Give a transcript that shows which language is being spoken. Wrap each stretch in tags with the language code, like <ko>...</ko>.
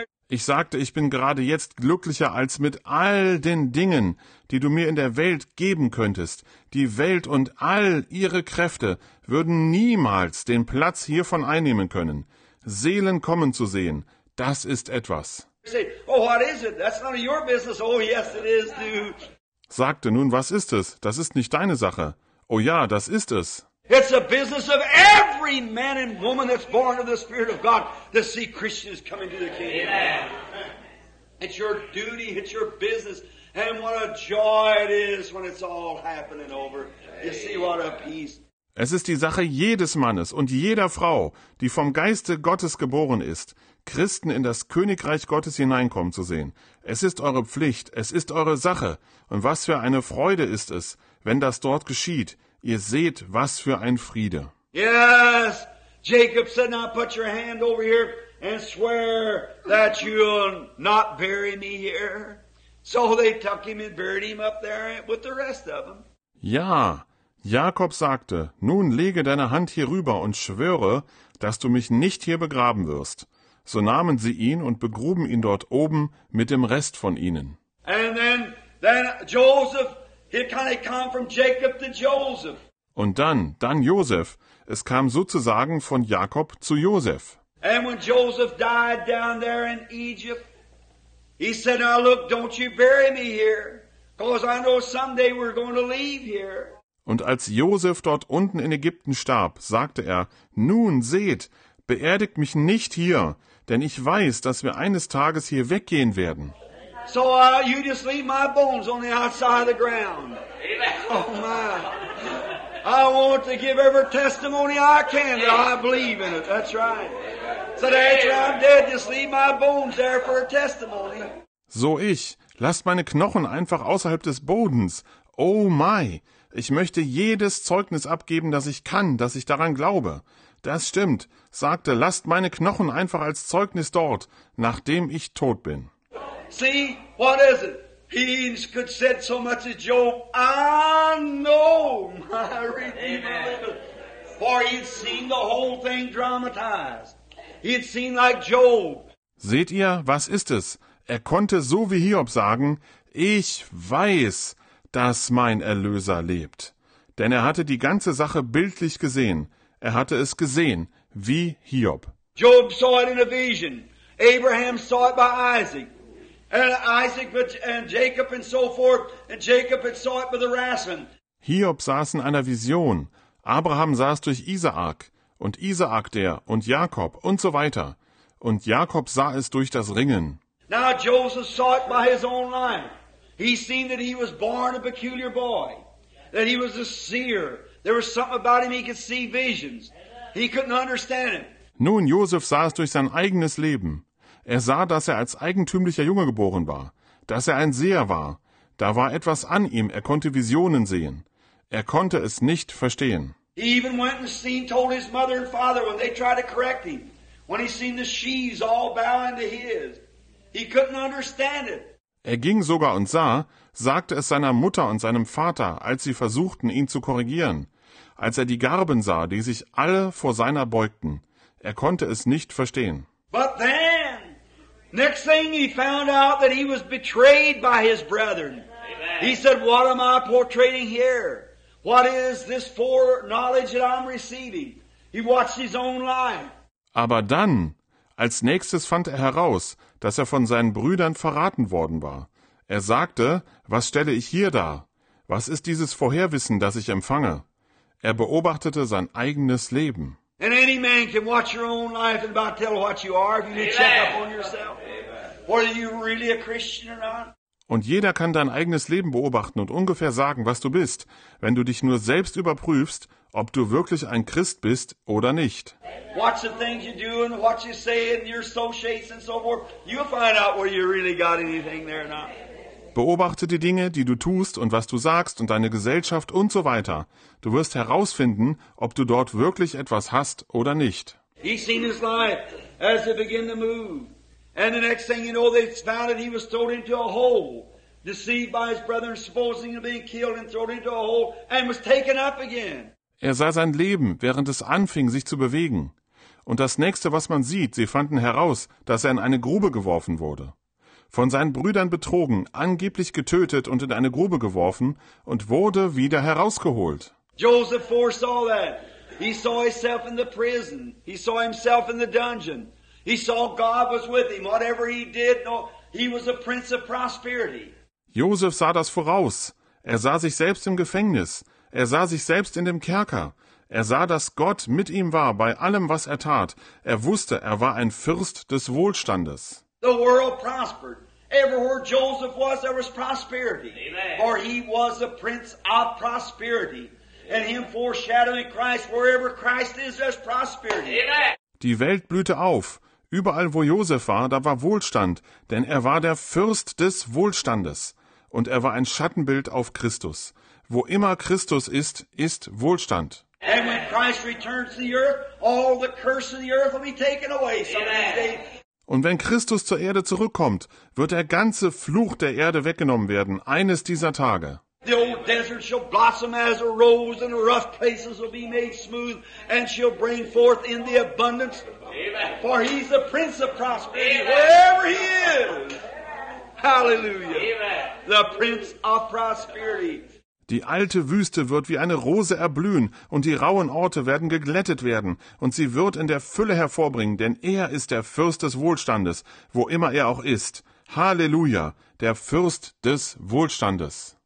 <de>Ich sagte, ich bin gerade jetzt glücklicher als mit all den Dingen, die du mir in der Welt geben könntest. Die Welt und all ihre Kräfte würden niemals den Platz hiervon einnehmen können. Seelen kommen zu sehen, das ist etwas.</de> <en>Oh, what is it? That's none of your business. Oh, yes, it is, dude.</en> <de>sagte, nun, was ist es? Das ist nicht deine Sache. Oh ja, das ist es.</de> <en>It's the business of every man and woman that's born of the Spirit of God to see Christians come into the kingdom. Amen. It's your duty, it's your business. And what a joy it is when it's all happening over. You see what a peace.</en> <de>Es ist die Sache jedes Mannes und jeder Frau, die vom Geiste Gottes geboren ist, Christen in das Königreich Gottes hineinkommen zu sehen. Es ist eure Pflicht, es ist eure Sache. Und was für eine Freude ist es, wenn das dort geschieht. Ihr seht, was für ein Friede.</de> <en>Yes, Jacob said, now put your hand over here and swear that you'll not bury me here. So they took him and buried him up there with the rest of them.</en> <de>Ja, Jakob sagte, nun lege deine Hand hier rüber und schwöre, dass du mich nicht hier begraben wirst. So nahmen sie ihn und begruben ihn dort oben mit dem Rest von ihnen.</de> <en>And then Joseph, he kind of came from Jacob to Joseph.</en> <de>Und dann Joseph, es kam sozusagen von Jakob zu Joseph.</de> <en>And when Joseph died down there in Egypt, he said, now look, don't you bury me here, because I know someday we're going to leave here.</en> <de>Und als Josef dort unten in Ägypten starb, sagte er, nun seht, beerdigt mich nicht hier, denn ich weiß, dass wir eines Tages hier weggehen werden.</de> <en>So, you just leave my bones on the outside of the ground. Oh my. I want to give every testimony I can that I believe in it. That's right. So after I'm dead, just leave my bones there for a testimony.</en> <de>So ich, lasst meine Knochen einfach außerhalb des Bodens.</de> <en>Oh my.</en> <de>Ich möchte jedes Zeugnis abgeben, das ich kann, dass ich daran glaube. Das stimmt, sagte, lasst meine Knochen einfach als Zeugnis dort, nachdem ich tot bin.</de> <en>See, what is it? He could say so much as Job, I know my Redeemer. For he'd seen the whole thing dramatized. He'd seen like Job.</en> <de>Seht ihr, was ist es? Er konnte so wie Hiob sagen, ich weiß, dass mein Erlöser lebt. Denn er hatte die ganze Sache bildlich gesehen. Er hatte es gesehen, wie Hiob.</de> <en>Job saw it in a vision. Abraham saw it by Isaac. And Isaac and Jacob and so forth. And Jacob had saw it by the wrestling.</en> <de>Hiob saß in einer Vision. Abraham saß durch Isaak. Und Isaak der und Jakob und so weiter. Und Jakob sah es durch das Ringen.</de> <en>Now Joseph saw it by his own life. He seen that he was born a peculiar boy, that he was a seer. There was something about him he could see visions. He couldn't understand it.</en> <de>Nun, Josef sah es durch sein eigenes Leben. Er sah, dass er als eigentümlicher Junge geboren war, dass er ein Seher war. Da war etwas an ihm, er konnte Visionen sehen. Er konnte es nicht verstehen.</de> <en>He even went and seen, told his mother and father when they tried to correct him, when he seen the sheaves all bowing to his. He couldn't understand it.</en> <de>Er ging sogar und sah, sagte es seiner Mutter und seinem Vater, als sie versuchten, ihn zu korrigieren. Als er die Garben sah, die sich alle vor seiner beugten. Er konnte es nicht verstehen.</de> <en>But then, next thing he found out that he was betrayed by his brethren. Amen. He said, what am I portraying here? What is this foreknowledge that I'm receiving? He watched his own life.</en> <de>Aber dann, als nächstes fand er heraus, dass er von seinen Brüdern verraten worden war. Er sagte, was stelle ich hier dar? Was ist dieses Vorherwissen, das ich empfange? Er beobachtete sein eigenes Leben.</de> <en>And any man can watch your own life and about tell what you are, if you need to check up on yourself. Whether you really a Christian or not.</en> <de>Und jeder kann dein eigenes Leben beobachten und ungefähr sagen, was du bist, wenn du dich nur selbst überprüfst, ob du wirklich ein Christ bist oder nicht.</de> <en>Watch the things you do and watch you say and your associates and so forth. You'll find out whether you really got anything there or not.</en> <de>Beobachte die Dinge, die du tust und was du sagst und deine Gesellschaft und so weiter. Du wirst herausfinden, ob du dort wirklich etwas hast oder nicht.</de> <en>He's seen his life as it began to move. And the next thing you know, they found that he was thrown into a hole, deceived by his brethren, supposing to be killed and thrown into a hole, and was taken up again.</en> <de>Er sah sein Leben, während es anfing, sich zu bewegen. Und das Nächste, was man sieht, sie fanden heraus, dass er in eine Grube geworfen wurde. Von seinen Brüdern betrogen, angeblich getötet und in eine Grube geworfen und wurde wieder herausgeholt.</de> <en>Joseph foresaw that. He saw himself in the prison. He saw himself in the dungeon. He saw God was with him. Whatever he did, no, he was a prince of prosperity.</en> <de>Josef sah das voraus. Er sah sich selbst im Gefängnis. Er sah sich selbst in dem Kerker. Er sah, dass Gott mit ihm war bei allem, was er tat. Er wusste, er war ein Fürst des Wohlstandes.</de> <en>The world prospered. Everywhere Joseph was, there was prosperity. Amen. For he was the prince of prosperity. And him foreshadowing Christ, wherever Christ is, there's prosperity. Amen.</en> <de>Die Welt blühte auf. Überall, wo Josef war, da war Wohlstand, denn er war der Fürst des Wohlstandes. Und er war ein Schattenbild auf Christus. Wo immer Christus ist, ist Wohlstand.</de> <en>And when Christ returns to the earth, all the curse of the earth will be taken away someday.</en> <de>Und wenn Christus zur Erde zurückkommt, wird der ganze Fluch der Erde weggenommen werden, eines dieser Tage.</de> <en>The old desert shall blossom as a rose, and the rough places will be made smooth, and she'll bring forth in the abundance. Amen. For he's the prince of prosperity, Amen. Wherever he is. Hallelujah. Amen. The prince of prosperity.</en> <de>Die alte Wüste wird wie eine Rose erblühen, und die rauen Orte werden geglättet werden, und sie wird in der Fülle hervorbringen, denn er ist der Fürst des Wohlstandes, wo immer er auch ist. Halleluja, der Fürst des Wohlstandes.</de>